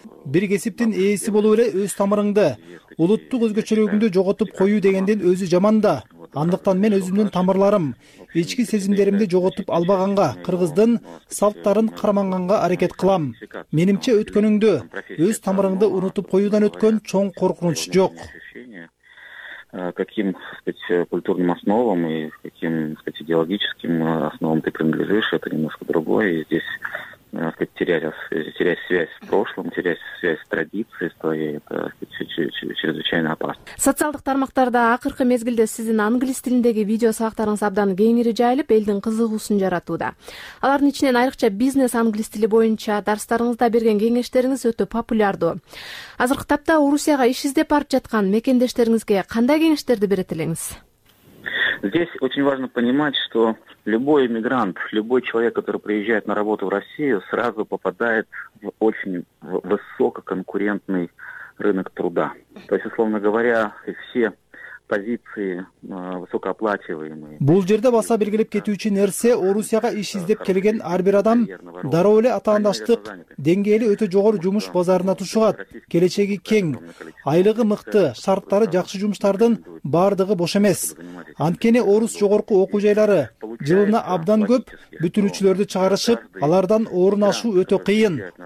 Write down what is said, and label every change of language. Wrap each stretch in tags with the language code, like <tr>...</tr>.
<ky>Бир кесиптин ээси болуу эле өз тамырыңды, улуттук өзгөчөлүгүңдү жоготуп коюу дегендин өзү жаман да. Андыктан мен өзүмдүн тамырларым, ички сезимдеримди жоготуп албаганга, кыргыздын салттарын карманганга аракет кылам. Менимче өткөнүңдү, өз тамырыңды унутуп коюудан өткөн чоң коркунуч жок.</ky> <ru>Каким, так сказать, культурным основам и каким, так сказать, идеологическим основам ты принадлежишь, это немножко другое. И здесь, так сказать, терять связь с прошлым, терять связь с традицией своей, это, так сказать, чрезвычайно опасно.</ru> <ky>Социалдык тармактарда акыркы мезгилде сиздин англис тилиндеги видео сабактарыңыз абдан кеңири жайылып, элдин кызыгуусун жаратууда. Алардын ичинен айрыкча бизнес англис тили боюнча дарстарыңызда берген кеңештериңиз өтө популярдуу. Азыркы тапта Орусияга иш издеп барып жаткан мекендештериңизге кандай кеңештерди берет элеңиз?</ky> <ru>Здесь очень важно понимать, что любой иммигрант, любой человек, который приезжает на работу в Россию, сразу попадает в очень высококонкурентный рынок труда. То есть, условно говоря, все позиции высокооплачиваемые.</ru> <ky>Бул жерде баса белгилеп кетүү үчүн нерсе, Орусияга иш издеп келген ар бир адам дароо эле атаандаштык деңгээли өтө жогору жумуш базарына тушугат. Келечеги кең, айлыгы мыкты, шарттары жакшы жумуштардын баардыгы бош эмес. Анткени орус жогорку окуу жайлары жылына абдан көп бүтүрүүчүлөрдү чыгарышып, алардан орун ашуу өтө кыйын.</ky>